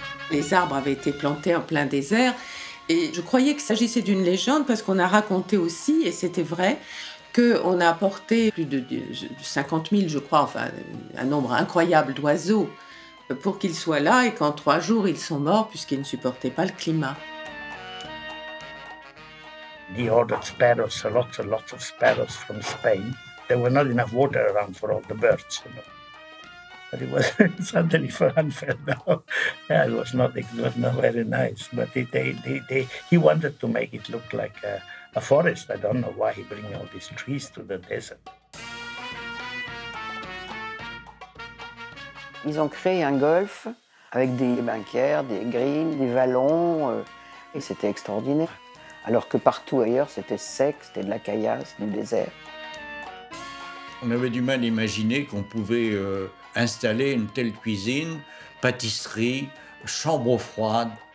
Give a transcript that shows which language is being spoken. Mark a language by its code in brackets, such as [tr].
[fr] Les arbres avaient été plantés en plein désert et je croyais qu'il s'agissait d'une légende parce qu'on a raconté aussi, et c'était vrai, qu'on a apporté plus de 50 000, je crois, enfin un nombre incroyable d'oiseaux pour qu'ils soient là et qu'en 3 jours ils sont morts puisqu'ils ne supportaient pas le climat. [en] He ordered sparrows, lots and lots of sparrows from Spain. There were not enough water around for all the birds, you know. But it was suddenly for unfair now. Yeah, it was not very nice. But he wanted to make it look like a forest. I don't know why he bring all these trees to the desert. [fr] Ils ont créé un golf avec des bunkers, des greens, des vallons, et c'était extraordinaire. Alors que partout ailleurs, c'était sec, c'était de la caillasse, du désert. On avait du mal à imaginer qu'on pouvait installer une telle cuisine, pâtisserie, chambre froide.